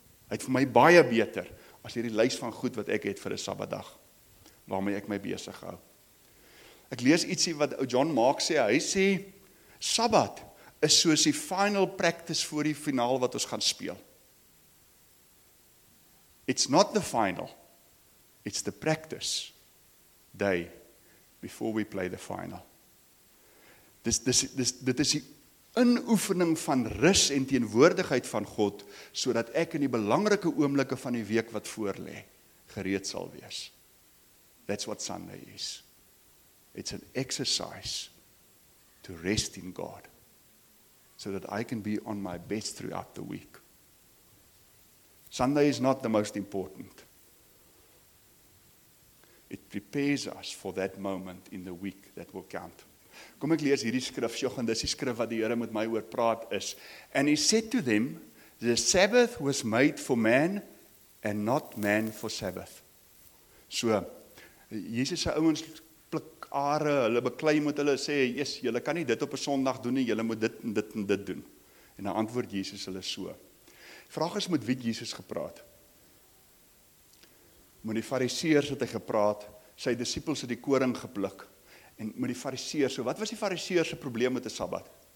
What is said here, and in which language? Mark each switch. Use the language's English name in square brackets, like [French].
[Afrikaans] Hy het vir my baie beter as hierdie lys van goed wat ek het vir 'n Sabbatdag, waarmee ek my besig hou. Ek lees ietsie wat John Mark sê, hy sê, Sabbat is soos die final practice voor die finaal wat ons gaan speel. [English] It's not the final, it's the practice day before we play the final. [Afrikaans] Dit is die inoefening van rus en teenwoordigheid van God, sodat ek in die belangrike oomblikke van die week wat voorlê, gereed sal wees. [English] That's what Sunday is. It's an exercise to rest in God, so that I can be on my best throughout the week. Sunday is not the most important. It prepares us for that moment in the week that will count. [Afrikaans] Kom ek lees hierdie skrif, Jochen, dis die skrif wat die Here met my oor praat is. [English] And he said to them, the Sabbath was made for man and not man for Sabbath. [Afrikaans] So, Jesus se ouens pluk are, hulle beklei met hulle, sê, yes, julle kan nie dit op 'n Sondag doen nie, julle moet dit en dit en dit doen. En dan antwoord Jesus hulle so. Vraag is met wie Jesus gepraat. Met die fariseers het hy gepraat, sy disippels het die koring gepluk, en met die fariseers, so wat was die fariseers se probleem met die Sabbat?